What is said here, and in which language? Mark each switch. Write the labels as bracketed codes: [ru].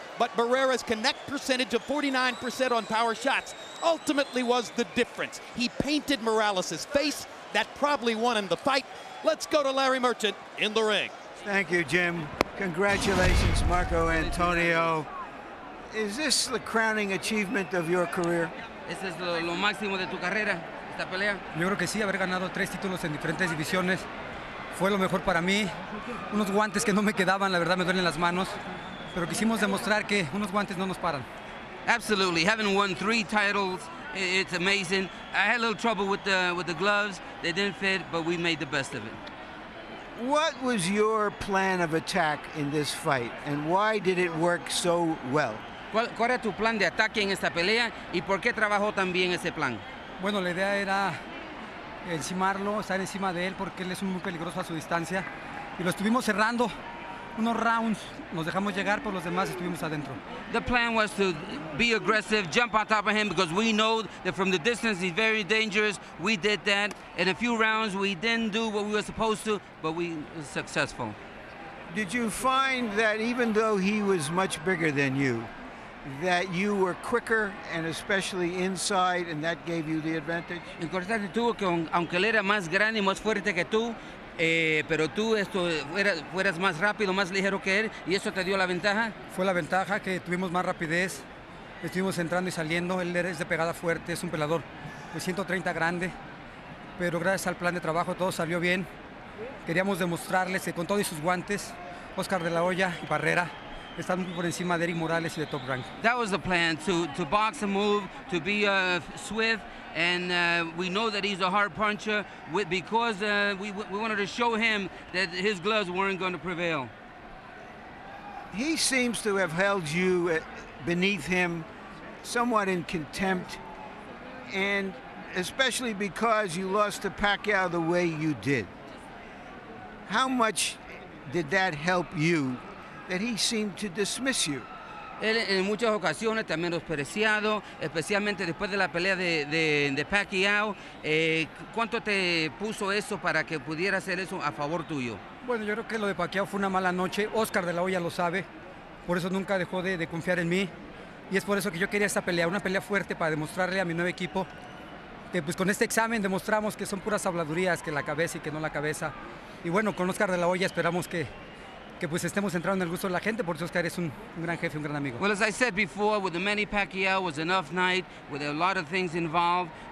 [en] But Barrera's connect percentage of 49% on power shots ultimately was the difference. He painted Morales' face. That probably won him the fight. Let's go to Larry Merchant in the ring. Thank you, Jim. Congratulations, Marco Antonio. Is this the crowning achievement of your career? [es] Este es lo máximo de tu carrera, esta pelea. Yo creo que sí, haber ganado tres títulos en diferentes divisiones fue lo mejor para mí. Unos guantes que no me quedaban, la verdad me duelen las manos, pero quisimos demostrar que unos guantes no nos paran. [en] Absolutely, having won three titles, it's amazing. I had a little trouble with the gloves. They didn't fit, but we made the best of it. What was your plan of attack in this fight, and why did it work so well? [es] ¿Cuál era tu plan de ataque en esta pelea, y por qué trabajó tan bien ese plan? Bueno, la idea era encimarlo, estar encima de él, porque él es muy peligroso a su distancia. Y lo estuvimos cerrando unos rounds. Nos dejamos llegar, pero los demás estuvimos adentro. [en] The plan was to be aggressive, jump on top of him, because we know that from the distance he's very dangerous. We did that. In a few rounds, we didn't do what we were supposed to, but we were successful. Did you find that even though he was much bigger than you, that you were quicker, and especially inside, and that gave you the advantage? [es] Importante tuvo que, aunque él era más grande y más fuerte que tú, pero tú fueras más rápido, más ligero que él, y eso te dio la ventaja. Fue la ventaja que tuvimos más rapidez, estuvimos entrando y saliendo. Él es de pegada fuerte, es un pelador de 130 grande, pero gracias al plan de trabajo todo salió bien. Queríamos demostrarles que con todos sus guantes, Oscar de la Hoya y Barrera están por encima de Eric Morales y de Top Rank. [en] That was the plan, to box and move, to be swift. And we know that he's a hard puncher because we wanted to show him that his gloves weren't going to prevail. He seems to have held you beneath him, somewhat in contempt, and especially because you lost to Pacquiao the way you did. How much did that help you, that he seemed to dismiss you? [es] Él en muchas ocasiones también despreciado, especialmente después de la pelea de Pacquiao. ¿Cuánto te puso eso para que pudiera hacer eso a favor tuyo? Bueno, yo creo que lo de Pacquiao fue una mala noche. Oscar de la Hoya lo sabe. Por eso nunca dejó de confiar en mí. Y es por eso que yo quería esta pelea, una pelea fuerte para demostrarle a mi nuevo equipo que pues con este examen demostramos que son puras habladurías, que la cabeza y que no la cabeza. Y bueno, con Oscar de la Hoya esperamos que pues estemos entrando en el gusto de la gente, por eso es que eres un gran jefe, un gran amigo. [en] Well, as I said before, with the Manny Pacquiao was enough night, with a lot of things involved.